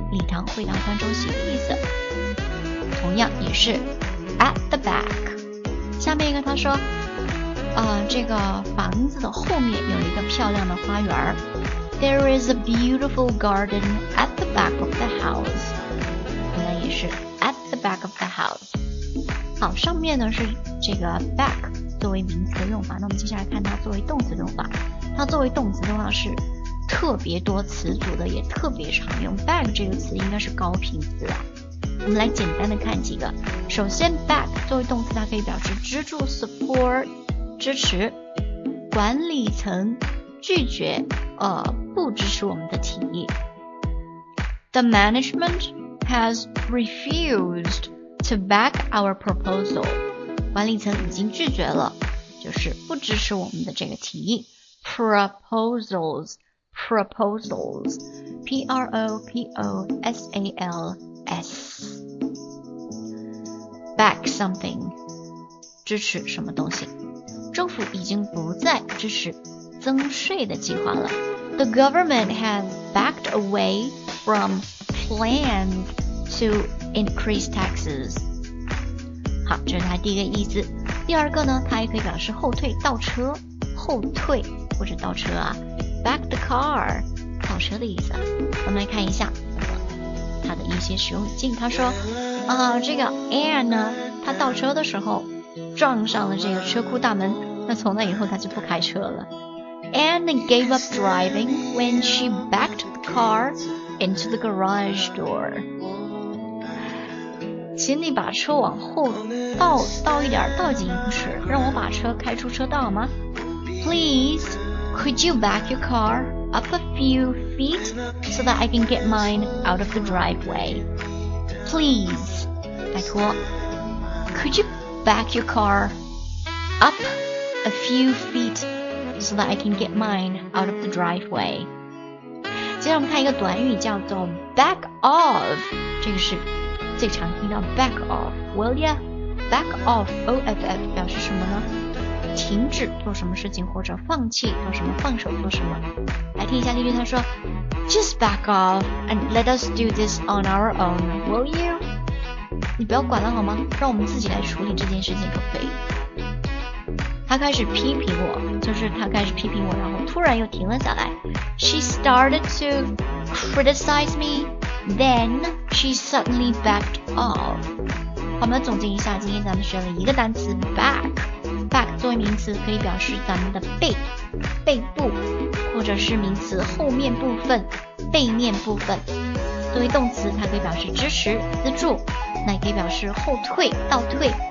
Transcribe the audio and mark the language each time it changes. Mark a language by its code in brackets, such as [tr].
[zh] 礼堂、会堂、观众席的意思，同样也是 [en] at the back。 [zh] 下面一个，他说，这个房子的后面有一个漂亮的花园。 [en] There is a beautiful garden at the back of the house。 [zh] 同样也是 [en] at the back of the house。 [zh] 好，上面呢是这个 back 作为名词的用法，那我们接下来看它作为动词的用法。它作为动词的话是。特别多词组的，也特别常用。 back 这个词应该是高频词啊。我们来简单的看几个。首先 ，back 作为动词，它可以表示支柱 support 支持。管理层拒绝不支持我们的提议。 [en] The management has refused to back our proposal。 [zh] 管理层已经拒绝了，就是不支持我们的这个提议。 [en] Proposals。 Proposals, P-R-O-P-O-S-A-L-S. Back something, [zh] 支持什么东西。政府已经不再支持增税的计划了。 [en] The government has backed away from plans to increase taxes. [zh] 好，这是它第一个意思。第二个呢，它也可以表示后退、倒车、后退或者倒车啊。 [en] Back the car, [zh] 倒车的意思。我们来看一下它的一些使用语境。他说，这个 Anne 呢，他倒车的时候撞上了这个车库大门，那从那以后他就不开车了。 [en] Anne gave up driving when she backed the car into the garage door. [zh] 请你把车往后倒一点，倒进浴室，让我把车开出车道吗？ [en] Please, could you back your car up a few feet so that I can get mine out of the driveway? Please, [zh] 拜托。 [en] Could you back your car up a few feet so that I can get mine out of the driveway? [zh] 接下来我们看一个短语叫做 back off, 这个是最常听到 [en] back off, will ya? Back off, O-F-F, [zh] 表示什么呢？停止做什么事情或者放弃做什么，放手做什么。来听一下例句，他说 [en] Just back off and let us do this on our own, will you? [zh] 你不要管了好吗？让我们自己来处理这件事情可不可以？他开始批评我，然后突然又停了下来。 [en] She started to criticize me, then she suddenly backed off. [zh] 好，我们总结一下，今天咱们学了一个单词 back. Back 作为名词可以表示咱们的背、背部，或者是名词后面部分、背面部分。作为动词，它可以表示支持、资助。那也可以表示后退、倒退。